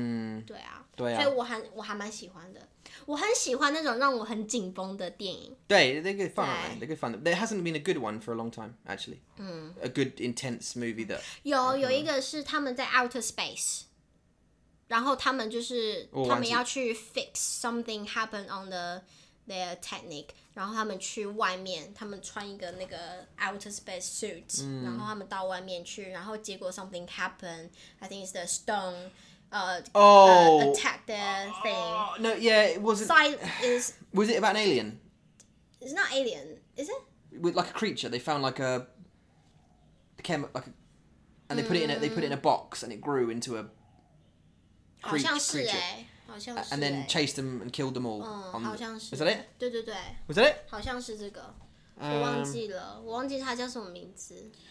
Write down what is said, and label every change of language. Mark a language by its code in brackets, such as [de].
[zh] right?对，然后在台湾它是绝命铃声，所以你有兴趣的话，你可以去看。真的很刺激，就是让你是一个很紧绷，就是一整个电影里面你就觉得好紧绷，到底会发生什么事情你都不知道。嗯，对啊，对啊，所以我还蛮喜欢的。我很喜欢那种让我很紧绷的电影。对， they get fun. [en] There hasn't been a good one for a long time, actually. A good intense movie that. [zh] 有一个是他们在 outer space, 然后他们要去 fix something happened on their technique, 然后他们去外面，他们穿一个那个 outer space suit, 然后他们到外面去，然后结果 something happened. [en] I think it's the stone. Attack the thing. No, yeah, it wasn't. Was it about an alien? It's not alien, is it? With like a creature, they found like a chem, like, a, and they put it in a box, and it grew into a creature. And then chased them and killed them all. Was that it? [zh] 对对对. [en] Was that it? [zh] 好像是这个，我忘记了，我忘记它叫什么名字。